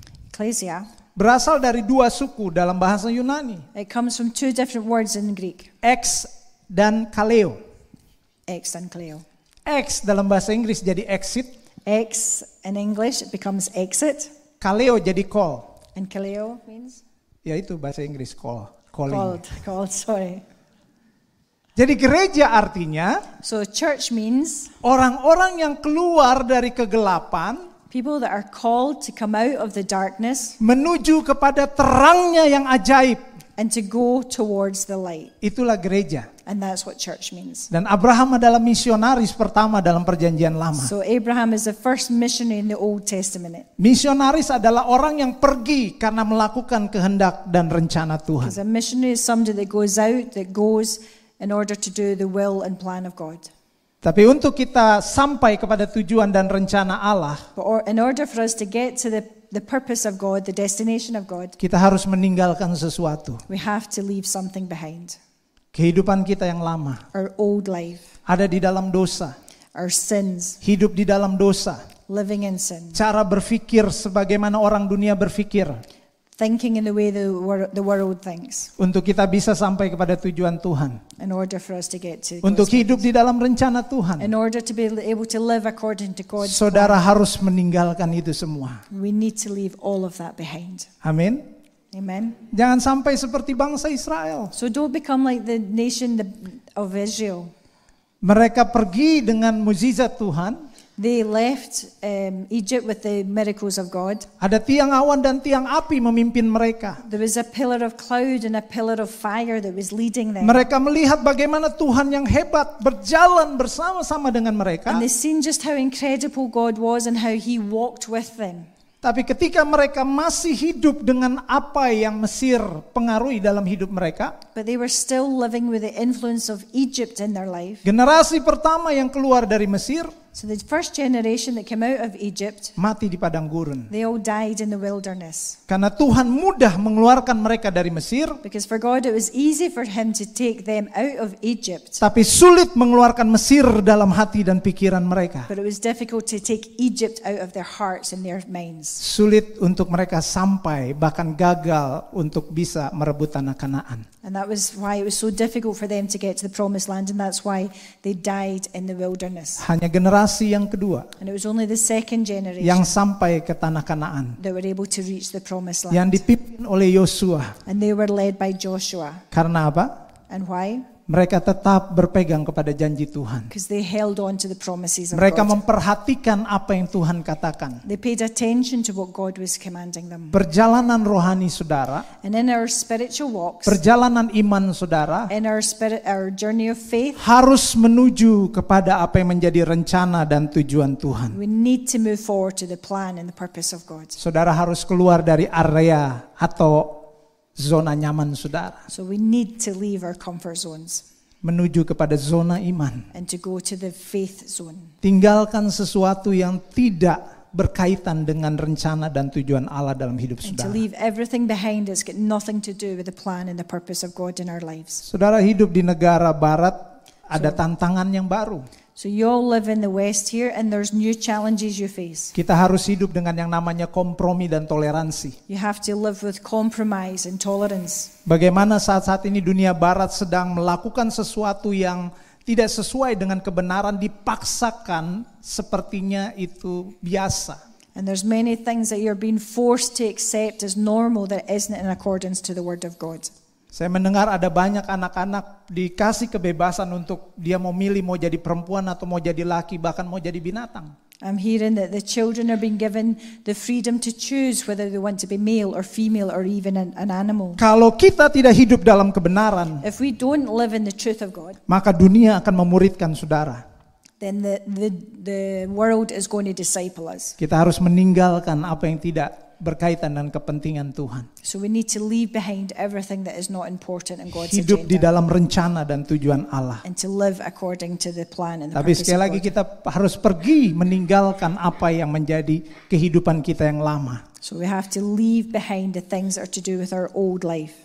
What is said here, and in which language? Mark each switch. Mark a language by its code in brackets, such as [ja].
[id] ecclesia berasal dari dua suku dalam bahasa Yunani. [en] It comes from two different words in Greek. [id] Ex dan kaleo. Ex dalam bahasa Inggris jadi exit. [en] Ex in English it becomes exit. [id] Kaleo jadi call. [en] And kaleo means? [id] Ya itu bahasa Inggris call. [en] Called, sorry. [id] Jadi gereja artinya, [en] so church means [id] orang-orang yang keluar dari kegelapan, [en] people that are called to come out of the darkness, [id] menuju kepada terangnya yang ajaib, [en] and to go towards the light. [id] Itulah gereja. [en] And that's what church means. [id] Dan Abraham adalah misionaris pertama dalam Perjanjian Lama. [en] So Abraham is the first missionary in the Old Testament. [id] Misionaris adalah orang yang pergi karena melakukan kehendak dan rencana Tuhan. [en] Because a missionary is somebody that goes out, that goes in order to do the will and plan of God. [id] Tapi untuk kita sampai kepada tujuan dan rencana Allah, [en] in order for us to get to the purpose of God, the destination of God, [id] kita harus meninggalkan sesuatu. [en] We have to leave something behind. [id] Kehidupan kita yang lama, [en] our old life, [id] ada di dalam dosa, [en] our sins, [id] hidup di dalam dosa, [en] living in sin, [id] cara berpikir sebagaimana orang dunia berpikir, [en] thinking in the way the world thinks. [id] Untuk kita bisa sampai kepada tujuan Tuhan. [en] In order for us to get to. [id] Untuk hidup di dalam rencana Tuhan. [en] In order to be able to live according to God's. [id] Saudara harus meninggalkan itu semua. [en] We need to leave all of that behind. [id] Amin. [en] Amen. [id] Jangan sampai seperti bangsa Israel. [en] So don't become like the nation of Israel. [id] Mereka pergi dengan mukjizat Tuhan. [en] They left Egypt with the miracles of God. [id] Ada tiang awan dan tiang api memimpin mereka. [en] There was a pillar of cloud and a pillar of fire that was leading them. [id] Mereka melihat bagaimana Tuhan yang hebat berjalan bersama-sama dengan mereka. [en] And they seen just how incredible God was and how he walked with them. [id] Tapi ketika mereka masih hidup dengan apa yang Mesir pengaruhi dalam hidup mereka, [en] but they were still living with the influence of Egypt in their life. [id] Generasi pertama yang keluar dari Mesir, [en] so the first generation that came out of Egypt, [id] mati di padang gurun. [en] They all died in the wilderness. [id] Karena Tuhan mudah mengeluarkan mereka dari Mesir. [en] Because for God it was easy for him to take them out of Egypt. [id] Tapi sulit mengeluarkan Mesir dalam hati dan pikiran mereka. [en] But it was difficult to take Egypt out of their hearts and their minds. [id] Sulit untuk mereka sampai, bahkan gagal untuk bisa merebut tanah Kanaan. [en] And that was why it was so difficult for them to get to the promised land, and that's why they died in the wilderness. [id] Hanya generasi yang kedua, [en] and it was only the second generation, [id] yang sampai ke tanah Kanaan, [en] that were able to reach the promised land, [id] yang dipimpin oleh Yosua, [en] and they were led by Joshua. [id] Karena apa? [en] And why? [id] Mereka tetap berpegang kepada janji Tuhan. [en] Because they held on to the promises of God. [id] Mereka memperhatikan apa yang Tuhan katakan. [en] They paid attention to what God was commanding them. [id] Perjalanan rohani saudara. [en] And in our spiritual walks. [id] Perjalanan iman saudara. [en] In our journey of faith. [id] Harus menuju kepada apa yang menjadi rencana dan tujuan Tuhan. [en] We need to move forward to the plan and the purpose of God. [id] Saudara harus keluar dari area atau zona nyaman saudara. [en] So we need to leave our comfort zones. [id] Menuju kepada zona iman. [en] And to go to the faith zone. [id] Tinggalkan sesuatu yang tidak berkaitan dengan rencana dan tujuan Allah dalam hidup saudara. [en] And to leave everything behind us, get nothing to do with the plan and the purpose of God in our lives. [id] Saudara hidup di negara barat, ada tantangan yang baru. [en] So you all live in the West here, and there's new challenges you face. [id] Kita harus hidup dengan yang namanya kompromi dan toleransi. [en] You have to live with compromise and tolerance. [id] Bagaimana saat-saat ini dunia Barat sedang melakukan sesuatu yang tidak sesuai dengan kebenaran, dipaksakan sepertinya itu biasa. [en] And there's many things that you're being forced to accept as normal that isn't in accordance to the Word of God. [id] Saya mendengar ada banyak anak-anak dikasih kebebasan untuk dia mau milih mau jadi perempuan atau mau jadi laki, bahkan mau jadi binatang. [en] I'm hearing that the children are being given the freedom to choose whether they want to be male or female or even an animal. [id] Kalau kita tidak hidup dalam kebenaran, [en] if we don't live in the truth of God, [id] maka dunia akan memuridkan saudara. [en] Then the world is going to disciple us. [id] Kita harus meninggalkan apa yang tidak berkaitan dengan kepentingan Tuhan. [en] So we need to leave behind everything that is not important in God's agenda. [id] Hidup di dalam rencana dan tujuan Allah. [en] And to live according to the plan and the [id] purpose. Tapi sekali lagi kita harus pergi meninggalkan apa yang menjadi kehidupan kita yang lama. [en] So we have to leave behind the things that are to do with our old life.